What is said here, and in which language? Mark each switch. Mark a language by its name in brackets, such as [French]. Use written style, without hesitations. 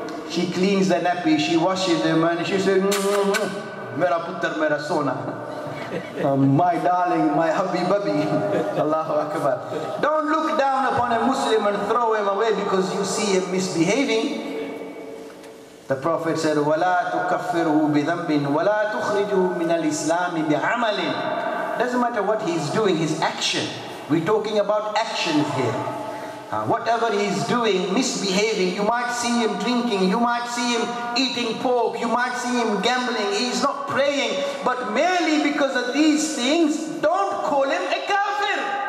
[English] She cleans the nappy, she washes him, and she says, [Punjabi] Mera putter, mera sona. [English] My darling, my hubby bubby. Allahu Akbar. Don't look down upon a Muslim and throw him away because you see him misbehaving. The Prophet said, [Arabic] وَلَا تُكَفِّرُهُ بِذَنْبٍ وَلَا تُخْرِجُهُ مِنَ الْإِسْلَامِ بِعَمَلٍ. [English] Doesn't matter what he's doing, his action. We're talking about actions here. Whatever he's doing, misbehaving, you might see him drinking, you might see him eating pork, you might see him gambling, he's not praying, but merely because of these things, don't call him a kafir.